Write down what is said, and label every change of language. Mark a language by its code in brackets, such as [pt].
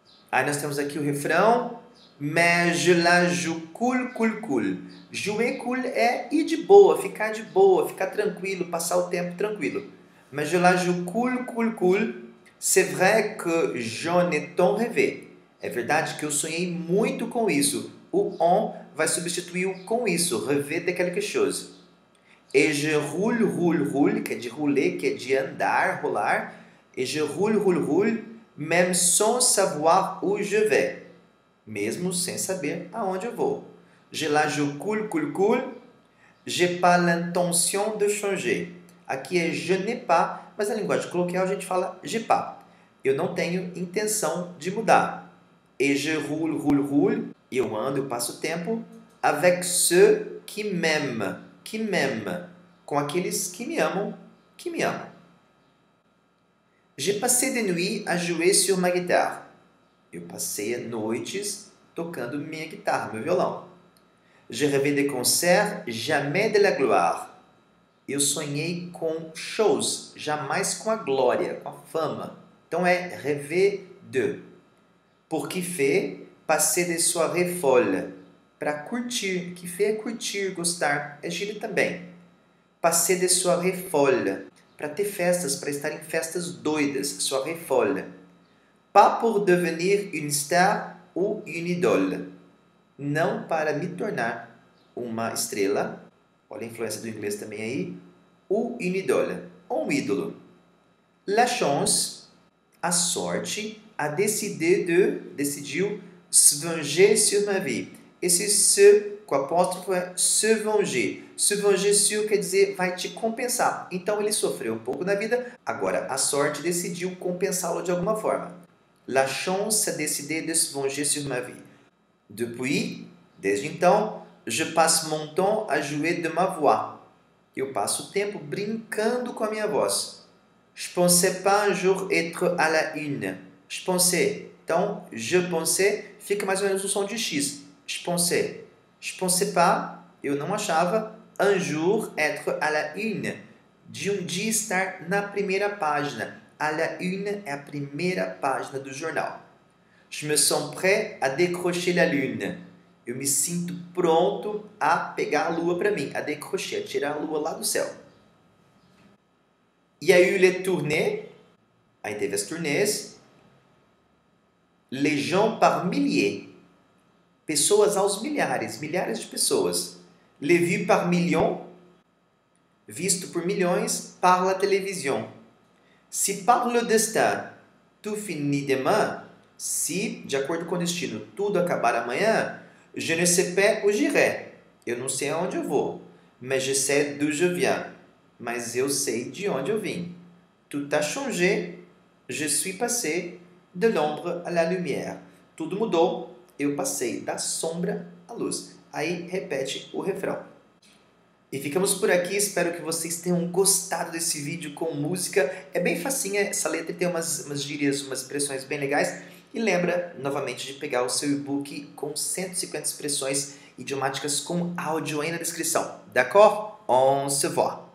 [pt] Aí nós temos aqui o refrão. [fr] Mais je la joue cool, cool, cool. Jouer cool [pt] é ir de boa, ficar tranquilo, passar o tempo tranquilo. [fr] Mais je la joue cool, cool, cool. C'est vrai que j'en ai tant rêvé. [pt] É verdade que eu sonhei muito com isso. O on vai substituir o com isso, [fr] rêver de quelque chose. Et je roule, roule, roule, [pt] que é de rouler, que é de andar, rolar. [fr] Et je roule, roule, roule, même sans savoir où je vais. [pt] Mesmo sem saber aonde eu vou. [fr] Je la joue cool, cool, cool. J'ai pas l'intention de changer. [pt] Aqui é [fr] je n'ai pas, [pt] mas na linguagem coloquial a gente fala [fr] j'ai pas. [pt] Eu não tenho intenção de mudar. [fr] Et je roule, roule, roule. [pt] Eu ando, eu passo o tempo. [fr] Avec ceux qui m'aiment. [pt] Com aqueles que me amam, que me amam. [fr] J'ai passé des nuits à jouer sur ma guitare. [pt] Eu passei noites tocando minha guitarra, meu violão. [fr] Je rêvais de concerts, jamais de la gloire. [pt] Eu sonhei com shows, jamais com a glória, com a fama. Então é [fr] rêver de. Pour kiffer, passer des soirées folles. [pt] Para curtir, kiffer é curtir, gostar, é gíria também. [fr] Passer des soirées folles. [pt] Para ter festas, para estar em festas doidas, [fr] soirée folle. Pas pour devenir une star ou une idole. [pt] Não para me tornar uma estrela. Olha a influência do inglês também aí. [fr] Ou une idole. [pt] Ou um ídolo. [fr] La chance. [pt] A sorte. [fr] A décidé de. [pt] Decidiu. [fr] Se venger sur ma vie. [pt] Esse se com apóstrofo é [fr] se venger. Se venger sur [pt] quer dizer vai te compensar. Então ele sofreu um pouco na vida. Agora a sorte decidiu compensá-lo de alguma forma. [fr] La chance a décidé de se venger sur ma vie. Depuis, [pt] desde então, [fr] je passe mon temps à jouer de ma voix. [pt] Eu passo o tempo brincando com a minha voz. [fr] Je pensais pas un jour être à la une. Je pensais. [pt] Então, [fr] je pensais [pt] fica mais ou menos o som de X. [fr] Je pensais pas, [pt] eu não achava, [fr] un jour être à la une. [pt] De um dia estar na primeira página. [fr] À la une [pt] é a primeira página do jornal. [fr] Je me sens prêt à décrocher la lune. [pt] Eu me sinto pronto a pegar a lua para mim, a décrocher, a tirar a lua lá do céu. [fr] Il y a eu les tournées. [pt] Aí teve as turnês. [fr] Les gens par milliers. [pt] Pessoas aos milhares, milhares de pessoas. [fr] Les vues par millions. [pt] Visto por milhões, [fr] par la télévision. Si par le destin, tout finit demain. [pt] Se, de acordo com o destino, tudo acabar amanhã, [fr] je ne sais pas où j'irai. [pt] Eu não sei aonde eu vou. [fr] Mais je sais d'où je viens. [pt] Mas eu sei de onde eu vim. [fr] Tout a changé. Je suis passé de l'ombre à la lumière. [pt] Tudo mudou. Eu passei da sombra à luz. Aí repete o refrão. E ficamos por aqui. Espero que vocês tenham gostado desse vídeo com música. É bem facinha essa letra, tem umas gírias, umas expressões bem legais. E lembra, novamente, de pegar o seu e-book com 150 expressões idiomáticas com áudio aí na descrição. [fr] D'accord? On se voit!